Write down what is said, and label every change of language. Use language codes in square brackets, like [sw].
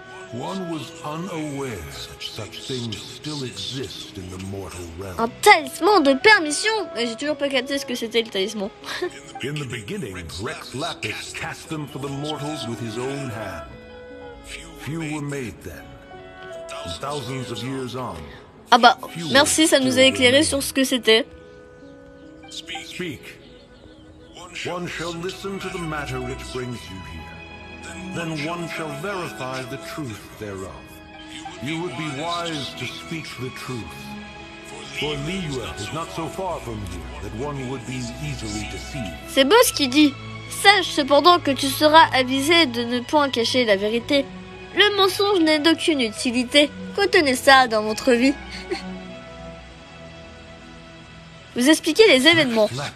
[en] One was unaware such things still exist in the mortal realm. [fr] Un talisman de permission. J'ai toujours pas capté ce que c'était le talisman. [en] In the beginning, Rex Lapis cast them for the mortals with his own hand. Few were made then. Thousands of years on. [fr] Ah bah, merci, ça nous a éclairé sur ce que c'était. [en] Speak. One shall listen to the matter which brings you here. Then one shall verify the truth thereof. You would be wise to speak the truth. For Liyue is not so far from here that one would be easily deceived. [fr] C'est beau ce qu'il dit. Sache cependant que tu seras avisé de ne point cacher la vérité. Le mensonge n'est d'aucune utilité. Retenez ça dans votre vie. Vous expliquez les événements.